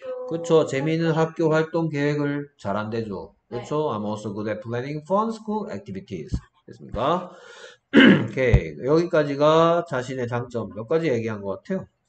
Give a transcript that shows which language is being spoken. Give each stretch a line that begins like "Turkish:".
Korean: 그쵸. 재미있는 학교 활동 계획을 잘 한대죠. 그쵸.
English: I'm also good at planning fun school activities.
Korean: 됐습니까? 오케이. 여기까지가 자신의 장점. 몇 가지 얘기한 것 같아요.